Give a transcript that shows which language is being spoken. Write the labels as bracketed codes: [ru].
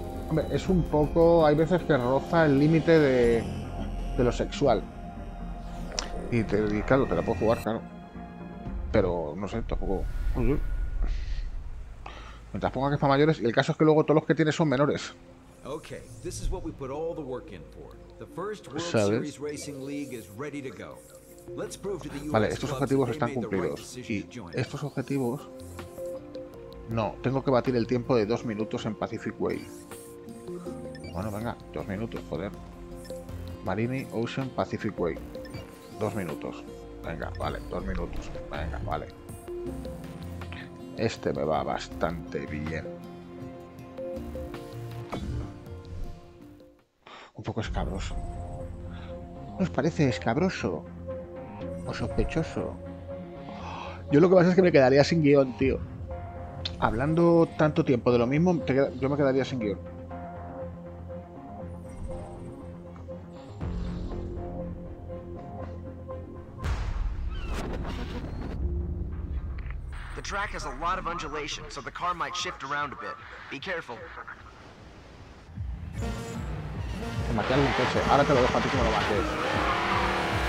[es] Hombre, es un poco. Hay veces que roza el límite de lo sexual. Y te y claro, te la puedo jugar, claro. Pero no sé, tampoco. Mientras ponga que es para mayores, y el caso es que luego todos los que tienes son menores. [en] Okay, this is what we put all the work in for. The first World Series Racing League is ready to go. Let's prove to the US. [es] Vale, estos objetivos están cumplidos. Y estos objetivos. No, tengo que batir el tiempo de 2 minutos en Pacific Way. Bueno, venga, 2 minutos, joder. Marini Ocean Pacific Way. 2 minutos. Venga, vale, 2 minutos. Venga, vale. Este me va bastante bien. Un poco escabroso. ¿No os parece escabroso? ¿O sospechoso? Yo lo que pasa es que me quedaría sin guión, tío. Hablando tanto tiempo de lo mismo, yo me quedaría sin guión. [en] The track has a lot of undulation, so the car might shift around a bit. Be careful. [es] Te maté algún coche, ahora te lo dejo a ti que me lo maté.